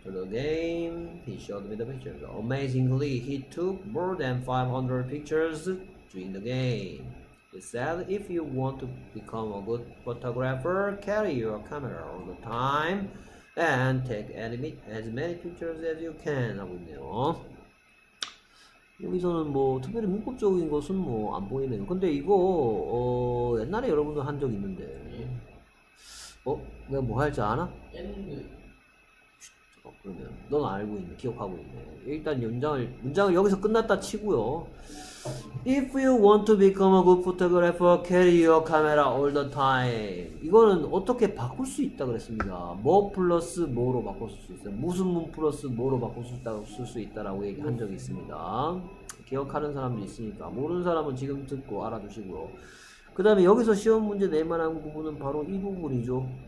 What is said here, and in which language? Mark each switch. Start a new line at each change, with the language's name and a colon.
English: 게임, he showed me the pictures. Amazingly, he took more than 500 pictures during the game. He said, if you want to become a good photographer, carry your camera all the time and take as many pictures as you can.
Korean: 하고 있네요. 여기서는 뭐 특별히 문법적인 것은 뭐 안 보이네요. 근데 이거 옛날에 여러분도 한 적 있는데 내가 뭐 할지 아나? 그러면 넌 알고 있네, 기억하고 있네. 일단 문장을 여기서 끝났다 치고요.
English: If you want to become a good photographer, carry your camera all the time.
Korean: 이거는 어떻게 바꿀 수 있다 그랬습니다. 뭐 플러스 뭐로 바꿀 수 있어요. 무슨 문 플러스 뭐로 바꿀 수 있다고 쓸 수 있다라고 얘기한 적이 있습니다. 기억하는 사람도 있으니까 모르는 사람은 지금 듣고 알아두시고요. 그다음에 여기서 시험 문제 낼 만한 부분은 바로 이 부분이죠.